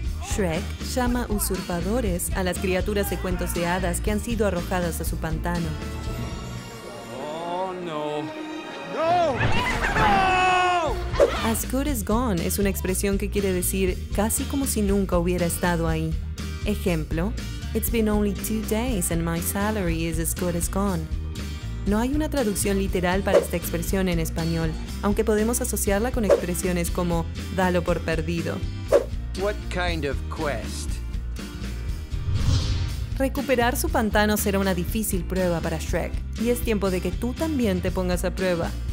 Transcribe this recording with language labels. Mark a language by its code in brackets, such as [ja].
[es] Shrek llama usurpadores a las criaturas de cuentos de hadas que han sido arrojadas a su pantano. [en] Oh, no. [es] ¡No! ¡No! [en] As good as gone [es] es una expresión que quiere decir casi como si nunca hubiera estado ahí. Ejemplo, [en] it's been only 2 days and my salary is as good as gone. [es] No hay una traducción literal para esta expresión en español, aunque podemos asociarla con expresiones como dalo por perdido. [en] What kind of quest? [es] Recuperar su pantano será una difícil prueba para Shrek, y es tiempo de que tú también te pongas a prueba.